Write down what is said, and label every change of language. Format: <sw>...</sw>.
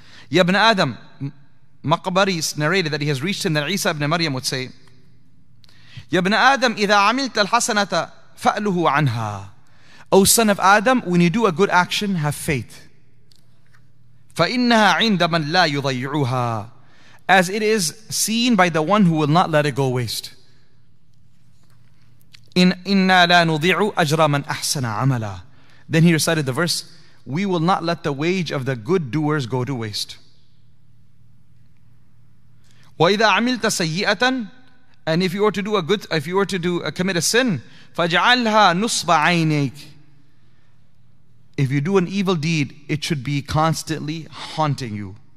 <en>Ya ibn Adam, Maqbari narrated that he has reached him that Isa ibn Maryam would say, Ya ibn Adam,</en> <ar>إذا عملت الحسنة فأله عنها.</ar> <en>O son of Adam, when you do a good action, have faith.</en> <ar>فإنها عند من لا يضيعها.</ar> <en>As it is seen by the one who will not let it go waste.</en> <ar>إنا لا نضيع أجر من أحسن عملا.</ar> <en>Then he recited the verse, we will not let the wage of the good doers go to waste.</en> <ar>وَإِذَا عَمِلْتَ سَيِّئَةً,</ar> <en>and if you were to do a good, if you were to do commit a sin,</en> <ar>فَجْعَلْهَا نُصْبَ عَيْنَيْكَ,</ar> <en>if you do an evil deed, it should be constantly haunting you.</en>